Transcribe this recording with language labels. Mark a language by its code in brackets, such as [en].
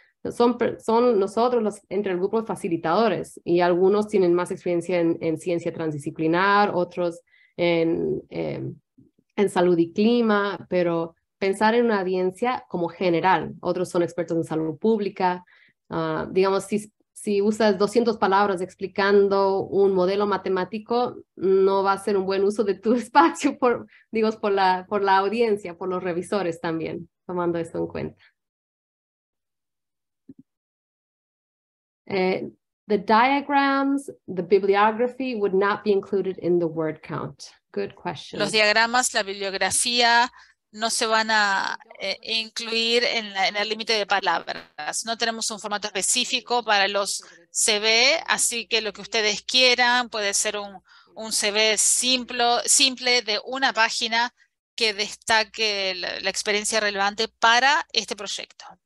[es] Son nosotros los entre el grupo de facilitadores y algunos tienen más experiencia en ciencia transdisciplinar, otros en salud y clima, pero pensar en una audiencia como general, otros son expertos en salud pública, digamos, si usas 200 palabras explicando un modelo matemático, no va a ser un buen uso de tu espacio, por la audiencia, por los revisores también, tomando esto en cuenta. [en] The diagrams, the bibliography would not be included in the word count. Good question. [es] Los diagramas, la bibliografía, no se van a incluir en el límite de palabras. No tenemos un formato específico para los CV, así que lo que ustedes quieran puede ser un CV simple de una página que destaque la experiencia relevante para este proyecto.